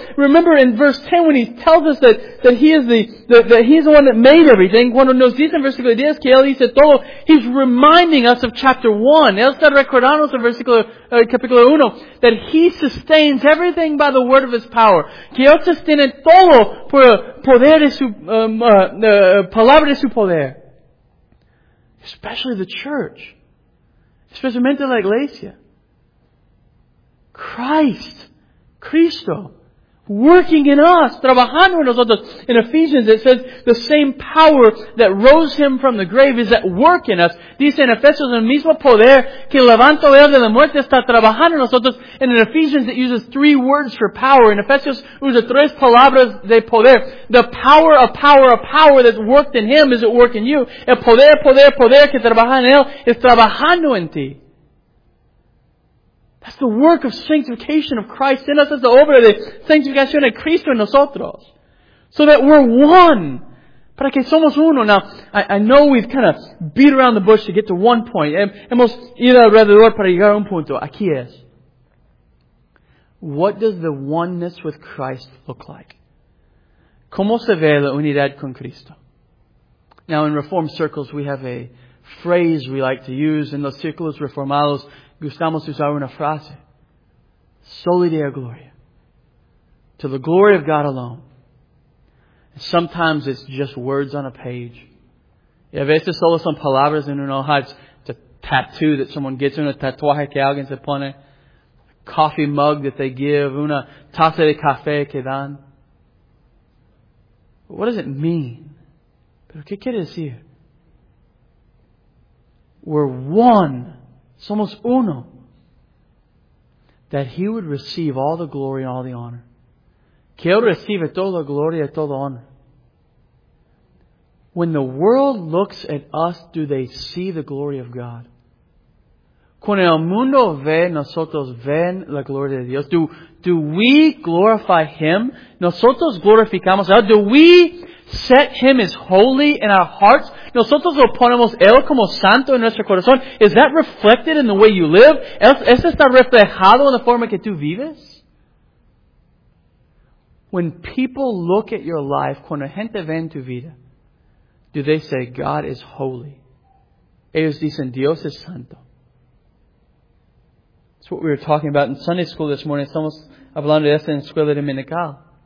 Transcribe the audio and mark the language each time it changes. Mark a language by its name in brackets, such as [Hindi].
[English] Remember in verse 10 when He tells us that He is the one that made everything. [Spanish] Cuando nos dice en versículo 10 que Él hizo todo, [English] He's reminding us of chapter 1. [Spanish] Él está recordándonos en capítulo 1 [English] that He sustains everything by the word of His power. [Spanish] Que Él sostiene todo por el poder de su palabra de su poder. [English] Especially the church. [Spanish] Especialmente la iglesia. [English] Christ, Cristo, working in us, [Spanish] trabajando en nosotros. [English] In Ephesians it says, the same power that rose Him from the grave is at work in us. [Spanish] Dice en Efesios, el mismo poder que levantó Él de la muerte está trabajando en nosotros. [English] And in Ephesians it uses three words for power. [Spanish] In Efesios usa tres palabras de poder. [English] The power of power of power that worked in Him is at work in you. [Spanish] El poder, poder, poder que trabaja en Él es trabajando en ti. [English] That's the work of sanctification of Christ in us. That's the [Spanish] obra de sanctificación de Cristo en nosotros. [English] So that we're one. [Spanish] Para que somos uno. [English] Now, I know we've kind of beat around the bush to get to one point. [Spanish] Hemos ido alrededor para llegar a un punto. Aquí es. [English] What does the oneness with Christ look like? [Spanish] ¿Cómo se ve la unidad con Cristo? [English] Now, in Reformed circles, we have a phrase we like to use. [Spanish] In los círculos reformados, gustamos usar una frase. [Latin] Soli Deo Gloria. [English] To the glory of God alone. Sometimes it's just words on a page. [Spanish] Y a veces solo son palabras en una hoja. [English] It's a tattoo that someone gets, [Spanish] una tatuaje que alguien se pone. [English] A coffee mug that they give, [Spanish] una taza de café que dan. [English] But what does it mean? [Spanish] Pero qué quiere decir? [English] We're one. [Spanish] Somos uno. [English] That He would receive all the glory and all the honor. [Spanish] Que Él reciba toda la gloria y toda la honra. [English] When the world looks at us, do they see the glory of God? [Spanish] Cuando el mundo ve, nosotros ven la gloria de Dios. [English] Do we glorify Him? [Spanish] Nosotros glorificamos a Él. [English] Do we set Him as holy in our hearts? [Spanish] Nosotros lo ponemos Él como santo en nuestro corazón. [English] Is that reflected in the way you live? [Spanish] ¿Eso está reflejado en la forma que tú vives? [English] When people look at your life, [Spanish] cuando gente ve tu vida, [English] do they say, God is holy? [Spanish] Ellos dicen, Dios es santo. [English] That's what we were talking about in Sunday school this morning. [Spanish] Estamos hablando de eso en escuela dominical.